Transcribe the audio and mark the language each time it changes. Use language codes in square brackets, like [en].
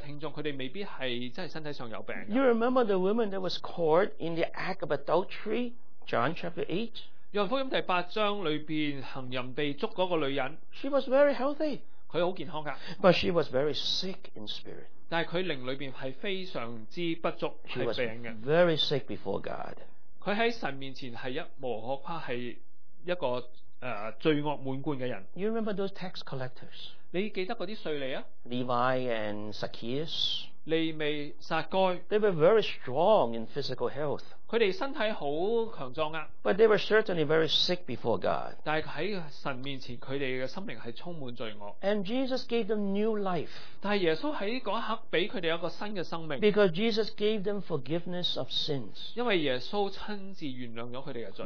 [zh] 很多当时耶稣很多的听众，他们未必是真的身体上有病。 [en] You remember the woman that was caught in the act of adultery, John chapter 8? [zh] 约翰福音第八章里面行淫被捉的那个女人。 [en] She was very healthy. [zh] 她很健康的。 [en] But she was very sick in spirit. [zh] 但她灵里面是非常不足, [en] she was very sick before God. [zh] 她在神面前是一无可夸，是一个罪恶满贯的人。 [en] You remember those tax collectors? [zh] 你记得那些税吏啊? [en] Levi and Zacchaeus. [zh] 利未撒该, [en] they were very strong in physical health. [zh] 他们身体很强壮啊, [en] but they were certainly very sick before God. [zh] 但在神面前他们的生命是充满罪恶。 [en] And Jesus gave them new life. [zh] 但耶稣在那一刻给他们一个新的生命。 [en] Because Jesus gave them forgiveness of sins. [zh] 因为耶稣亲自原谅了他们的罪。